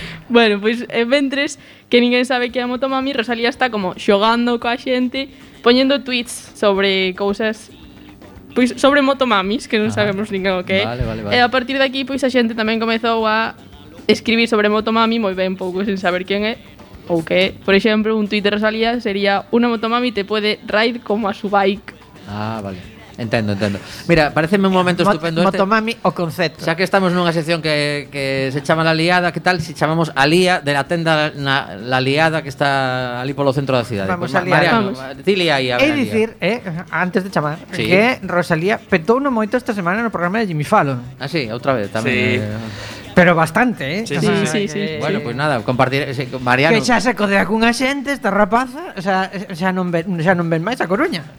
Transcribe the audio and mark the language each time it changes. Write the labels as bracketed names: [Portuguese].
[Galician] Bueno, pois, mentres que ninguén sabe que é Motomami, Rosalía está como xogando coa xente, poñendo tweets sobre cousas, pois, sobre Motomamis, que non sabemos ninguén o que é. Vale. A partir de aquí, pois, a xente tamén comezou a escribir sobre Motomami, moi ben, pouco sen saber quen é. O que, [Spanish] por ejemplo, un tuit de Rosalía sería: una motomami te puede ride como a su bike. [Galician] Ah, vale. Entendo, entendo. Mira, pareceme un momento estupendo este. Motomami o concepto. Ya que estamos nunha sección que se chama La Liada, que tal se chamamos a Lía de la tenda La Liada, que está ali polo centro da cidade. [Spanish] Vamos, pues, a liar, [Galician] Mariano, vamos. É dicir, antes de chamar, sí, que Rosalía petou un moito esta semana no programa de Jimmy Fallon. Ah, sí, outra vez tamén. Sí. Pero bastante, Sí, sí, sí, sí. Bueno, pues nada, compartir con Mariano. Que xa se codea cunha xente esta rapaza, o sea, xa non ven máis a Coruña.